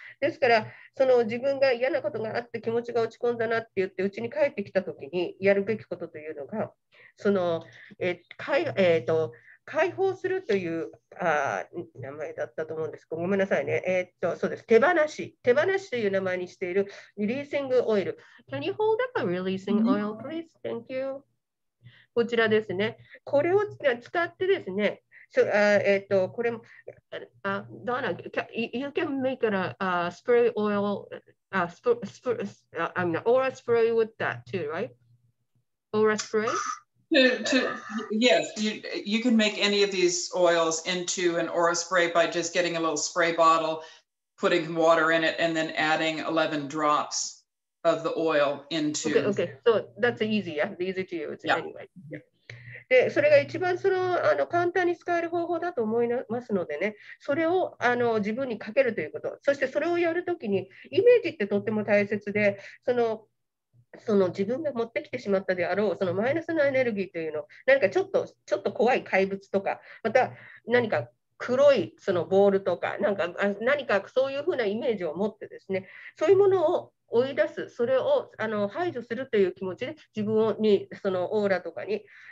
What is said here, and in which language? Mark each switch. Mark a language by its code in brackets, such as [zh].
[ja] ですからその自分が嫌なことがあって気持ちが落ち込んだなって言って家に帰ってきた時にやるべきことというのが、その解放するという名前だったと思うんですけど、ごめんなさいね、そうです、手放しという名前にしているリリーシングオイル。 [en] Can you hold up a releasing oil please? Thank you. [ja] こちらですね、これを使ってですね、これも、 [en] Donna, you can make a spray oil, aura spray with that too, right? Aura spray? Yes, you can make any of these oils into an aura spray by just getting a little spray bottle, putting water in it, and then adding 11 drops of the oil into. Okay, so that's easy, yeah? It's easy to use, yeah. Anyway. Yeah. [ja] で、それが一番その、簡単に使える方法だと思いますのでね、それを自分にかけるということ、そしてそれをやるときに、イメージってとっても大切で、その自分が持ってきてしまったであろうそのマイナスのエネルギーというの、何かちょっと怖い怪物とか、また何か黒いそのボールとか、何かそういうふうなイメージを持ってですね、そういうものを追い出す、それを排除するという気持ちで自分にそのオーラとかに、